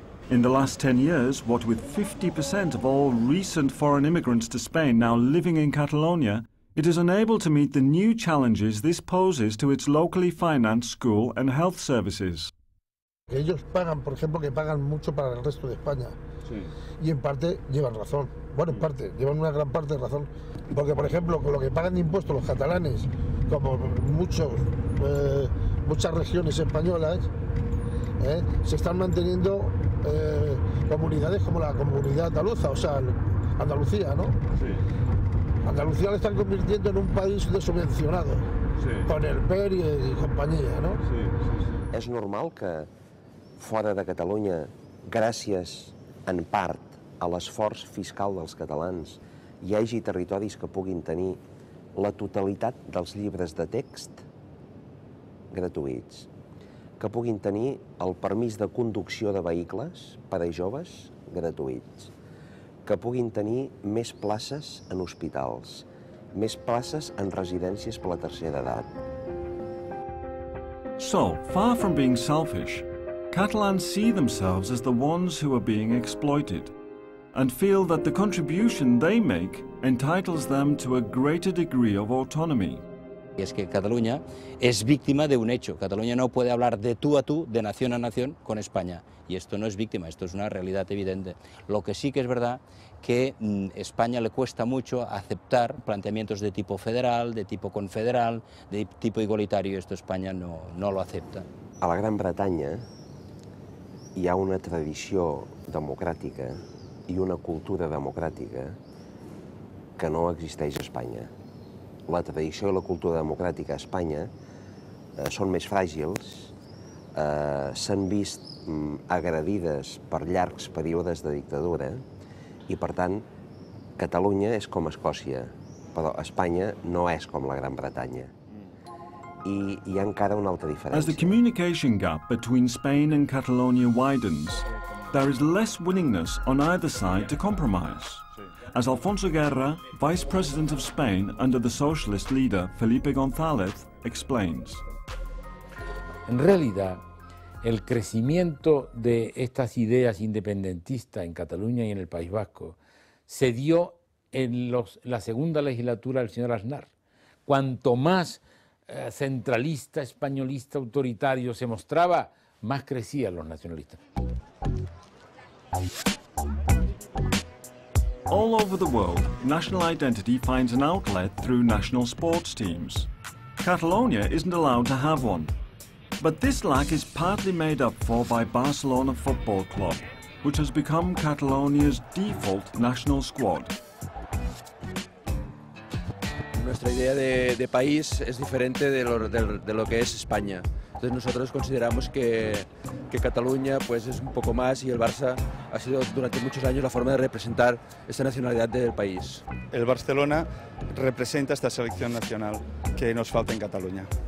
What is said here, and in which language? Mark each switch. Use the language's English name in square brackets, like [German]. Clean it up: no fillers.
[English] In the last 10 years, what with 50% of all recent foreign immigrants to Spain now living in Catalonia, it is unable to meet the new challenges this poses to its locally financed school and health services. [Spanish] Ellos pagan, por ejemplo, que pagan mucho para el resto de España. Sí. Y en parte llevan razón. Bueno, en parte, llevan una gran parte de razón. Porque, por ejemplo, con lo que pagan de impuestos los catalanes, como muchos, muchas regiones españolas, se están manteniendo comunidades como la comunidad andaluza, o sea, Andalucía, ¿no? Sí. Andalucía la están convirtiendo en un país desubvencionado, sí, con el PER y compañía, ¿no? Sí, sí, sí. ¿Es normal que fuera de [Catalan] Catalunya, gràcies en part a l'esforç fiscal dels catalans, hi hagi territoris que puguin tenir la totalitat dels llibres de text gratuïts, que puguin tenir el permís de conducció de vehicles per a joves gratuïts, que puguin tenir més places en hospitals, més places en residències per la tercera edat? [English] So, far from being selfish, Catalans see themselves as the ones who are being exploited and feel that the contribution they make entitles them to a greater degree of autonomy. [Spanish] Y es que Cataluña es víctima de un hecho. Cataluña no puede hablar de tú a tú, de nación a nación, con España. Y esto no es víctima, esto es una realidad evidente. Lo que sí que es verdad, que España le cuesta mucho aceptar planteamientos de tipo federal, de tipo confederal, de tipo igualitario. Esto España no lo acepta. [Catalan] A la Gran Bretaña hi ha una tradició democràtica i una cultura democràtica que no existeix a Espanya. La tradició i la cultura democràtica a Espanya són més fràgils, s'han vist agredides per llargs períodes de dictadura i, per tant, Catalunya és com Escòcia, però Espanya no és com la Gran Bretanya. I hi ha encara una altra diferència. [English] As the communication gap between Spain and Catalonia widens, there is less willingness on either side to compromise. As Alfonso Guerra, vice president of Spain under the socialist leader Felipe González, explains. [Spanish] En realidad, el crecimiento de estas ideas independentistas en Cataluña y en el País Vasco se dio en la segunda legislatura del señor Aznar. Cuanto más centralista, españolista, autoritario se mostraba, más crecían los nacionalistas. [English] All over the world, national identity finds an outlet through national sports teams. Catalonia isn't allowed to have one. But this lack is partly made up for by Barcelona Football Club, which has become Catalonia's default national squad. [Spanish] Nuestra idea de país es diferente de lo que es España. Entonces nosotros consideramos que Cataluña pues es un poco más y el Barça ha sido durante muchos años la forma de representar esta nacionalidad del país. El Barcelona representa esta selección nacional que nos falta en Cataluña.